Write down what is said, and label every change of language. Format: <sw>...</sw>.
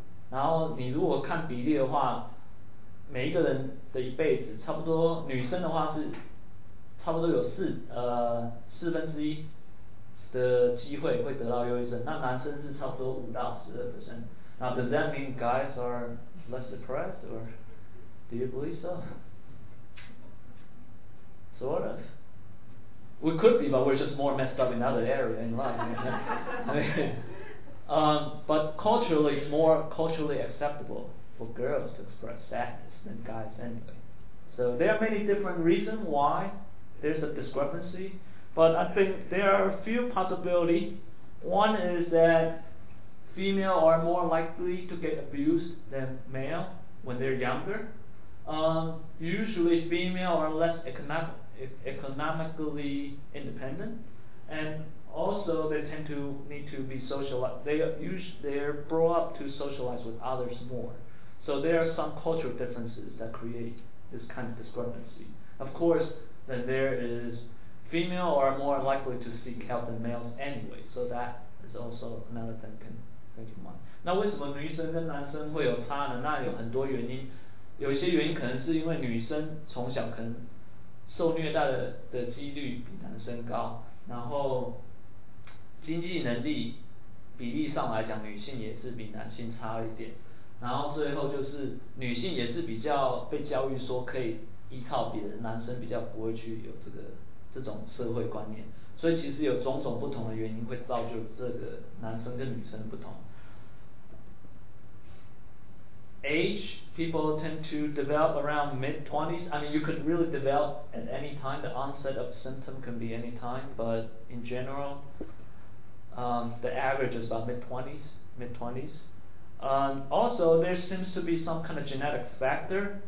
<zh>然后你如果看比例的话，每一个人的一辈子，差不多女生的话是差不多有四分之一的机会会得到忧郁症。那男生是差不多5到 12%。</zh> <en>Now, does that mean guys are less depressed or... Do you believe so? Sort of. We could be, but we're just more messed up in other areas in life. You know? but culturally, it's more culturally acceptable for girls to express sadness than guys anyway. So there are many different reasons why there's a discrepancy, but I think there are a few possibilities. One is that female are more likely to get abused than male when they're younger. Usually female are less economically independent, and also they tend to need to be socialized. They're brought up to socialize with others more. So there are some cultural differences that create this kind of discrepancy. Of course, then there is female are more likely to seek help than males anyway. So that is also another thing can think in mind.</en> <zh>那为什么女生跟男生会有差呢？那有很多原因，有一些原因可能是因为女生从小可能受虐待的几率比男生高，然后经济能力比例上来讲，女性也是比男性差一点。然后最后就是女性也是比较被教育说可以依靠别人，男生比较不会去有这种社会观念，所以其实有种种不同的原因会造就这个男生跟女生的不同。</zh> <en>Age, people tend to develop around mid-20s. I mean, you could really develop at any time. The onset of symptom can be any time, but in general, the average is about mid-20s. Also, there seems to be some kind of genetic factor.</en>